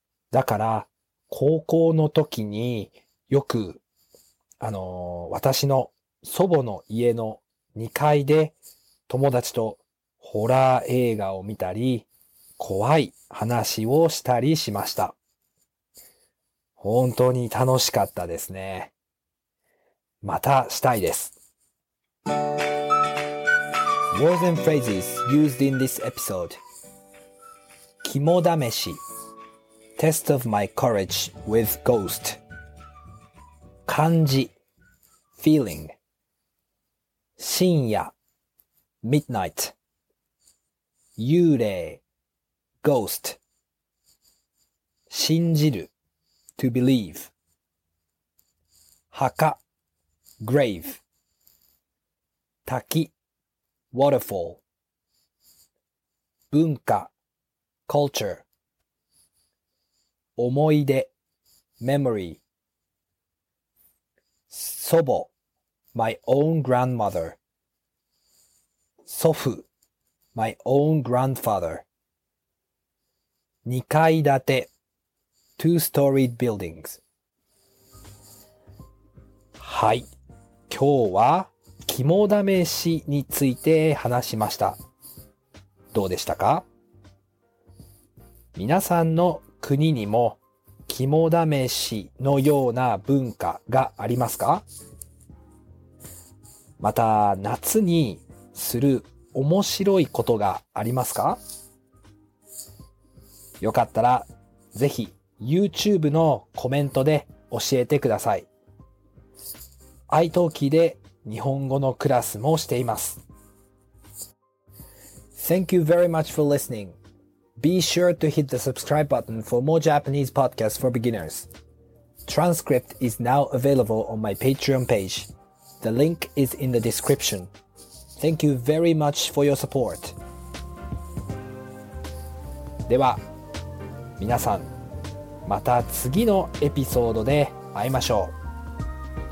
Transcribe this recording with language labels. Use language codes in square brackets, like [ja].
[ja] だから高校の時によく私の祖母の家の2階で友達とホラー映画を見たり、怖い話をしたりしました。本当に楽しかったですね。またしたいです。 [en] Words and phrases used in this episode. 肝試し Test of my courage with ghost. 漢字Feeling. 深夜 Midnight. 幽霊 Ghost. 信じる To believe. 墓 Grave. 滝 Waterfall. 文化 Culture. 思い出 Memory. 祖母 my own grandmother. 祖父、my own grandfather. 二階建て、two-storied buildings。 [ja] はい。今日は肝試しについて話しました。どうでしたか？皆さんの国にも肝試しのような文化がありますか？また、夏にする面白いことがありますか？よかったら、ぜひ YouTube のコメントで教えてください。 iTalki で日本語のクラスもしています。 [en] Thank you very much for listening. Be sure to hit the subscribe button for more Japanese podcasts for beginners. Transcript is now available on my Patreon page. The link is in the description. Thank you very much for your support. [ja] では、皆さん、また次のエピソードで会いましょう。